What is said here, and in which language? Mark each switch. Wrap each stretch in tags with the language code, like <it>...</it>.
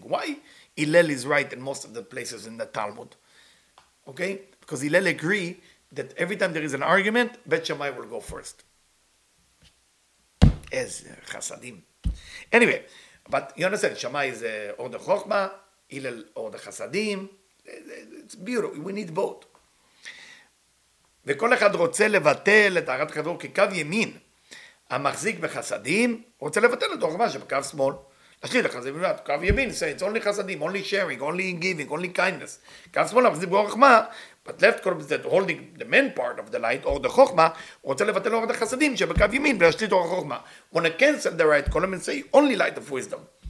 <en>Why Hillel is right in most of the places in the Talmud? Okay? Because Hillel agree that every time there is an argument, Bet Shammai will go first. As chasadim. Anyway, but you understand, Shammai is or the chokhmah, Hillel or the chasadim. It's beautiful. We need both.</en> <he>וכל אחד רוצה לבטל את הערת חברו כקו ימין המחזיק בחסדים, רוצה לבטל את החוכמה שבקו שמאל.</he> <en>It's only chasadim, only sharing, only giving, only kindness. But left korb is that holding the main part of the light, or the chokma, want to cancel the right column and say only light of wisdom.</en>